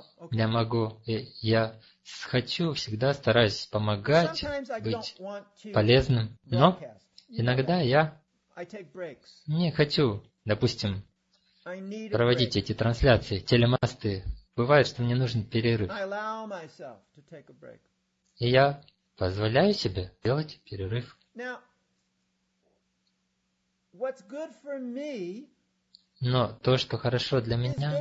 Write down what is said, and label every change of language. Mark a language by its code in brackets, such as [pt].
[ru] Я могу, я хочу, всегда стараюсь помогать, быть полезным, но иногда я не хочу, допустим, проводить эти трансляции, телемасты. Бывает, что мне нужен перерыв. [en] I allow myself to take a break. [ru] И я позволяю себе делать перерыв. [en] Now, what's good for me, [ru] но то, что хорошо для меня,